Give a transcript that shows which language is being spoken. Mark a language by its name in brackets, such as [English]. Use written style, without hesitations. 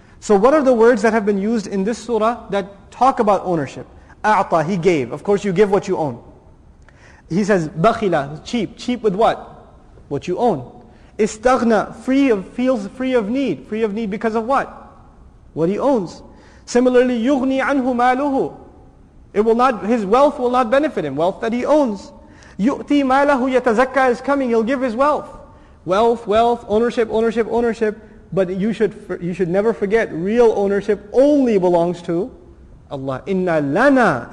[English] So what are the words that have been used in this surah that talk about ownership? أعطى, he gave. Of course you give what you own. He says, بخلا, cheap. Cheap with what? What you own. استغنى, free of, feels free of need. Free of need because of what? What he owns. Similarly, [Arabic] يغني عنه ماله. [English] It will not, his wealth will not benefit him, wealth that he owns. [Arabic] يُؤْتِي مَالَهُ يَتَزَكَّى [English] is coming, he'll give his wealth. Wealth, wealth, ownership, ownership, ownership. But you should never forget, real ownership only belongs to Allah. [Arabic] إِنَّ لَنَا.